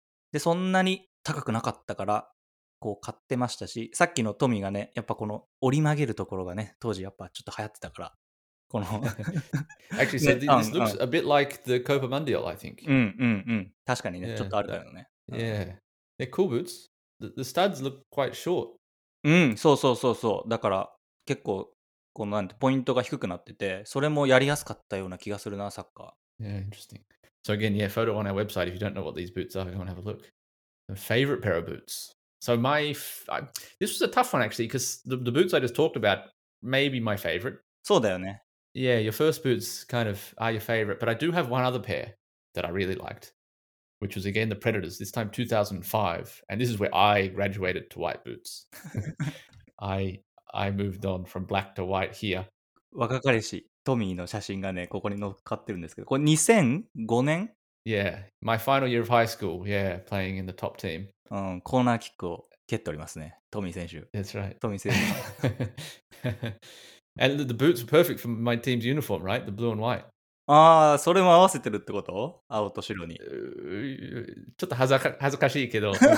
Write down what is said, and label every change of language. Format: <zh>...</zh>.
<ja>でそんなに高くなかったからこう買ってましたし、さっきのトミーがね、やっぱこの折り曲げるところがね、当時やっぱちょっと流行ってたから、この</ja> <en>Actually, so this looks a bit like the Copa Mundial, I think.</en> <ja>確かにね、ちょっとあるだよね。</ja> <en>Yeah, they're cool boots. The studs look quite short.</en> <ja>そうそうそうそう。だから結構このなんてポイントが低くなってて、それもやりやすかったような気がするな、サッカー。</ja> <en>Yeah, interesting. So again, yeah, photo on our website. If you don't know what these boots are, go and have a look. My favorite pair of boots. So my... this was a tough one, actually, because the boots I just talked about may be my favorite.</en> <ja>そうだよね。</ja> <en>Yeah, your first boots kind of are your favorite. But I do have one other pair that I really liked, which was, again, the Predators, this time 2005. And this is where I graduated to white boots. I moved on from black to white here.</en> <ja>若かりし。トミーの写真がね、ここに乗っかってるんですけど、これ2005年？</ja> <en>Yeah, my final year of high school. Yeah, playing in the top team.</en> <ja>コーナーキックを蹴っておりますね、トミー選手。</ja> <en>That's right.</en> <ja>トミー選手。</ja> <en>And the boots were perfect for my team's uniform, right? The blue and white.</en> <ja>ああ、それも合わせてるってこと？青と白に。ちょっと恥ずかしいけど。</ja>